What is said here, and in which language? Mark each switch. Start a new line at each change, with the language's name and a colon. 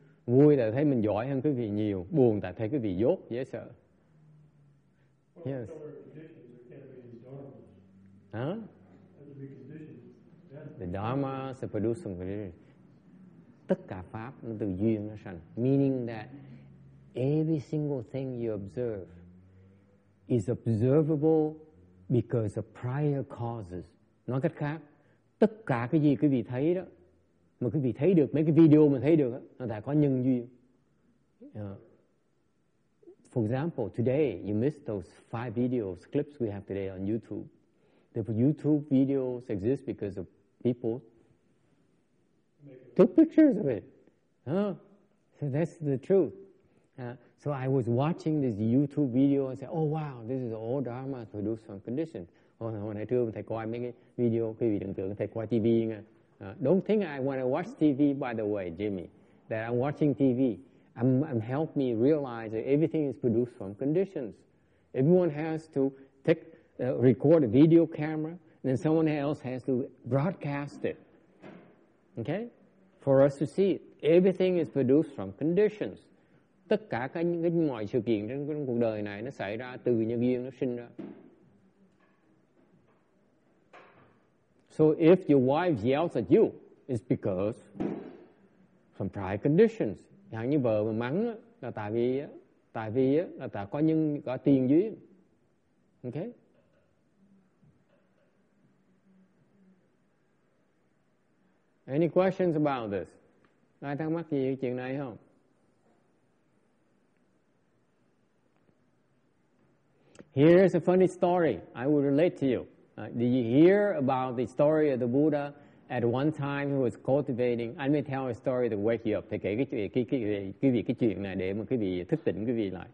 Vietnamese: Vui là thấy mình giỏi hơn quý vị nhiều, buồn tại thấy quý vị dốt, dễ sợ.
English: Yes. Huh? The Dharma is the producing condition.
Vietnamese: Tất cả pháp nó từ duyên nó sanh.
English: Meaning that every single thing you observe is observable because of prior causes.
Vietnamese: Nói cách khác, tất cả cái gì quý vị thấy đó, mà quý vị thấy được mấy cái video mà thấy được đó, nó đã có nhân duyên.
English: For example, today you missed those five videos clips we have today on YouTube. The YouTube videos exist because of people took pictures of it. Huh? So that's the truth. So I was watching this YouTube video and said, oh wow, this is all Dharma produced from condition. When I do,
Vietnamese: thầy coi mấy cái video, quý vị đừng tưởng thầy coi TV nha.
English: Don't think I want to watch TV, by the way, Jimmy, that I'm watching TV. I'm helped me realize that everything is produced from conditions. Everyone has to record a video camera, and then someone else has to broadcast it, okay? For us to see it. Everything is produced from conditions.
Vietnamese: Tất cả những cái mọi sự kiện trong cuộc đời này nó xảy ra từ nhân duyên nó sinh ra.
English: So if your wife yells at you, it's because some prior conditions.
Vietnamese: Chẳng như vợ mà mắng là tại vì là ta có nhân có tiền duyên, okay?
English: Any questions about this?
Vietnamese: Ai thắc mắc gì về chuyện này không?
English: Here's a funny story I will relate to you. Did you hear about the story of the Buddha? At one time, he was cultivating. I may tell a story to wake you up.
Vietnamese: Thầy kể cái chuyện này để mà quý vị thức tỉnh quý vị lại.